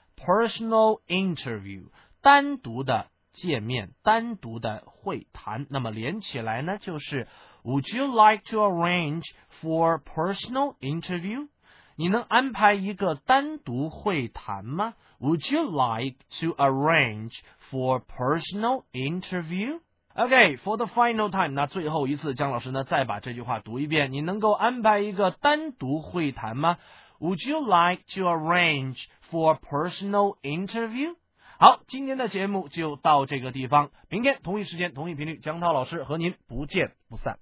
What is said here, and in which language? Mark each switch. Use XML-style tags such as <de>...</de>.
<en>Personal interview，</en> <zh>单独的见面，单独的会谈。那么连起来呢，就是</zh> <en>Would you like to arrange for personal interview？</en> <zh>你能安排一个单独会谈吗？</zh> <en>Would you like to arrange for personal interview？</en> <zh>OK，</zh> <en>for the final time，</en> <zh>那最后一次，姜老师呢再把这句话读一遍。你能够安排一个单独会谈吗？</zh> <en>Would you like to arrange for a personal interview?</en> <zh>好，今天的节目就到这个地方，明天同一时间同一频率，姜涛老师和您不见不散。</zh>